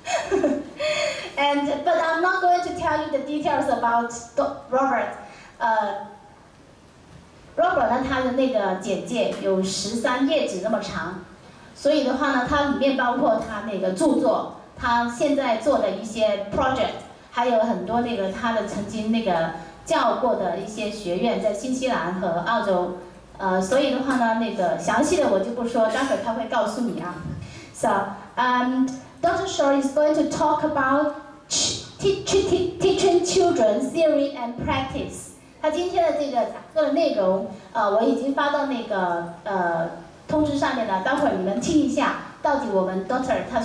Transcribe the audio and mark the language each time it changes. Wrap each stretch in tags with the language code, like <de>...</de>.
<en>But I'm not going to tell you the details about Robert.</en> <zh>Robert 他的那个简介有13页纸那么长， 所以的话呢， 他里面包括他那个著作， 他现在做的一些 project， 还有很多那个他的曾经那个教过的一些学院在新西兰和澳洲。所以的话呢，那个详细的我就不说，待会儿他会告诉你啊。</zh> <en>So, Dr. Shaw is going to talk about teaching children theory and practice.</en> <zh>他今天的这个讲课的内容，我已经发到那个通知上面了，待会儿你们听一下，到底我们 Dr.</zh>